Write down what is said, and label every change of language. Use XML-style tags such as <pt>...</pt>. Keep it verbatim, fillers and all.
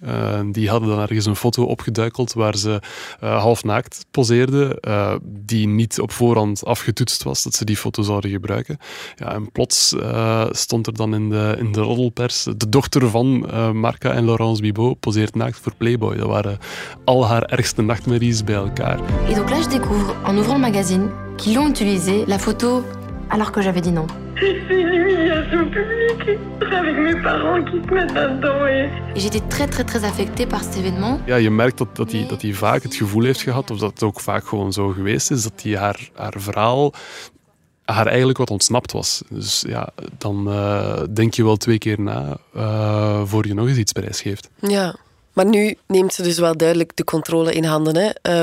<nl>Uh, die hadden dan ergens een foto opgeduikeld waar ze uh, half naakt poseerde, uh, die niet op voorhand afgetoetst was dat ze die foto zouden gebruiken. Ja, en plots uh, stond er dan in de, in de roddelpers de dochter van uh, Marca en Laurence Bibeau poseert naakt voor Playboy. Dat waren al haar ergste nachtmerries bij elkaar.</nl> <fr>Et donc là je découvre en ouvrant le magazine qu'ils l'ont utilisé la photo alors que j'avais dit non. J'ai fait une humiliation publique avec mes parents qui se mettent là-dedans. Et... Et j'étais très très très affectée par cet événement.</fr> <nl>Ja, je merkt dat, dat, hij, dat hij vaak het gevoel heeft gehad, of dat het ook vaak gewoon zo geweest is, dat hij haar, haar verhaal, haar eigenlijk wat ontsnapt was. Dus ja, dan uh, denk je wel twee keer na uh, voor je nog eens iets prijsgeeft. Ja, maar nu neemt ze dus wel duidelijk de controle in handen. Hè.</nl>